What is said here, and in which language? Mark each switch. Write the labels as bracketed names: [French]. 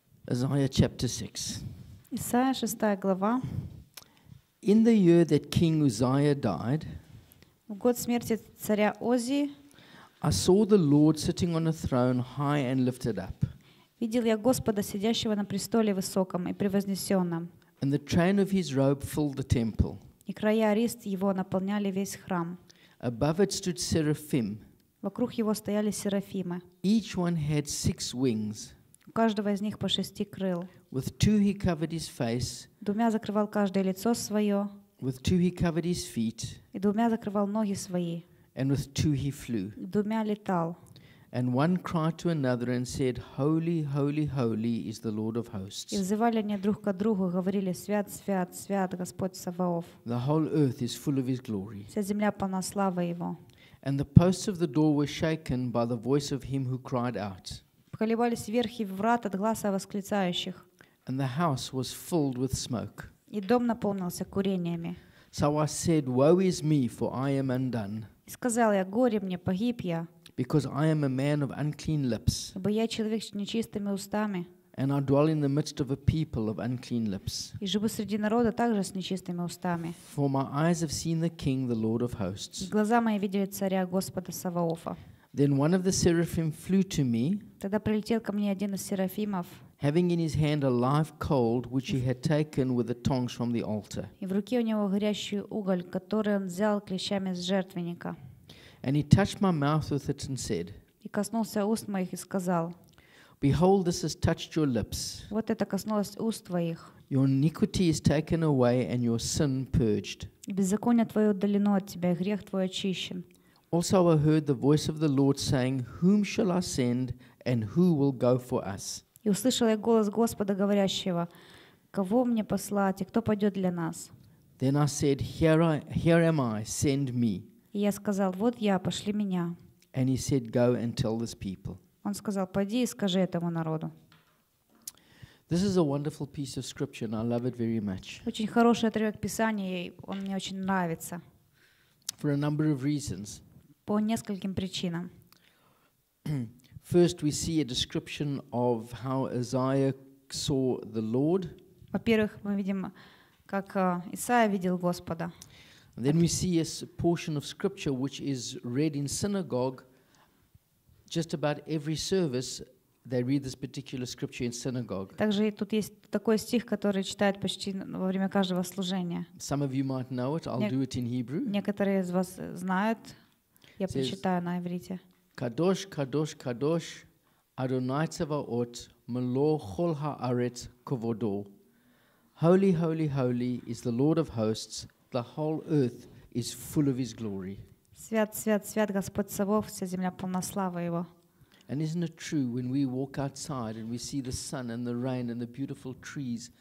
[English] Isaiah chapter 6. [Russian] Исайя 6 глава. [English] In the year that King Uzziah died, [Russian] в год смерти царя Оззи, [English] I saw the Lord sitting on a throne high and lifted up. [Russian] Видел я Господа сидящего на престоле высоком и превознесённом. [English] And the train of his robe filled the temple. [Russian] И края рист его наполняли весь храм. [English] Above it stood seraphim. [Russian] Вокруг его стояли серафимы. [English] Each one had 6 wings. [Russian] У каждого из них по 6 крыл. [English] With two he covered his face. [Russian] Двумя закрывал каждое лицо свое. [English] With two he covered his feet. [Russian] И двумя закрывал ноги свои. [English] And with two he flew. [Russian] И двумя летал. [English] And one cried to another and said, Holy, holy, holy is the Lord of hosts. [Russian] И взывали они друг к другу, говорили, Свят, свят, свят Господь Саваоф. [English] The whole earth is full of his glory. [Russian] Вся земля полна славы его. [English] And the posts of the door were shaken by the voice of him who cried out. [Russian] Колебались верхи врат от гласа восклицающих. [English] And the house was filled with smoke. [Russian] И дом наполнился курениями. [English] So I said, Woe is me, for I am undone. [Russian] И сказал я, горе мне, погиб я. [English] Because I am a man of unclean lips. [Russian] Ибо я человек с нечистыми устами. [English] And I dwell in the midst of a people of unclean lips. [Russian] И живу среди народа также с нечистыми устами. [English] For my eyes have seen the King, the Lord of hosts. [Russian] И глаза мои видели царя Господа Саваофа. [English] Then one of the seraphim flew to me. [Russian] Тогда прилетел ко мне один из серафимов. [English] having in his hand a live coal which he had taken with the tongs from the altar. [Russian] И в руке у него горящий уголь, который он взял клещами с жертвенника. [English] And he touched my mouth with it and said. [Russian] И коснулся уст моих и сказал. [English] Behold, this has touched your lips. [Russian] Вот это коснулось уст твоих. [English] Your iniquity is taken away and your sin purged. [Russian] Беззаконие твое удалено от тебя, и грех твой очищен. [English] Also I heard the voice of the Lord saying, whom shall I send and who will go for us? [Russian] И услышал я голос Господа говорящего: кого мне послать и кто пойдет для нас? [English] Then I said, here am I, send me. [Russian] И я сказал: вот я, пошли меня. [English] And he said, go and tell this people. [Russian] Он сказал: пойди и скажи этому народу. [English] This is a wonderful piece of scripture and I love it very much. [Russian] Очень хороший отрывок Писания, он мне очень нравится. [English] For a number of reasons. [Russian] По нескольким причинам. [English] First we see a description of how Isaiah saw the Lord. [Russian] Во-первых, мы видим, как Исаия видел Господа. [English] Then we see a portion of scripture which is read in synagogue just about every service. They read this particular scripture in synagogue. [Russian] Также тут есть такой стих, который читают почти во время каждого служения. [English] Some of you might know it. I'll do it in Hebrew. [Russian] Некоторые из вас знают. Я прочитаю на иврите. [Hebrew] Кадош, кадош, кадош, Адонай Цеваот, мело хол хаарец кводо. [English] Holy, holy, holy is the Lord of hosts. The whole earth is full of his glory. [Russian] Свят, свят, свят Господь Цеваот, вся земля полна славы его. [English] And isn't it true when we walk outside and we see the sun and the rain and the beautiful trees?